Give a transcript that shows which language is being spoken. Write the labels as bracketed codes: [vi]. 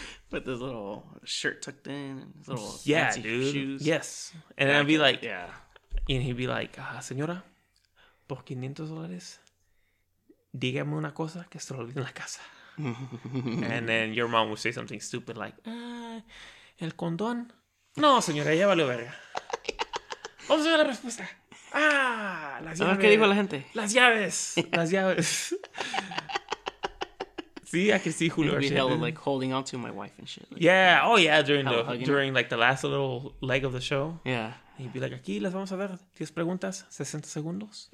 [en] With his little shirt tucked in, his little fancy shoes. Yes. And then I'd be like, yeah. And he'd be like, [es] señora, por 500 dólares, dígame una cosa que se lo olvide en la casa. [en] And then your mom would say something stupid like, [es] el condón. No, señora, ya valió verga. Vamos a ver la respuesta. Las llaves. ¿Qué dijo la gente? Las llaves. Las llaves. [en] Sí, I can see Julio. Be hella, like holding on to my wife and shit. Like, yeah. Oh yeah. During like the last little leg of the show. Yeah. He'd be like, [es] aquí las vamos a ver 10 preguntas, 60 segundos.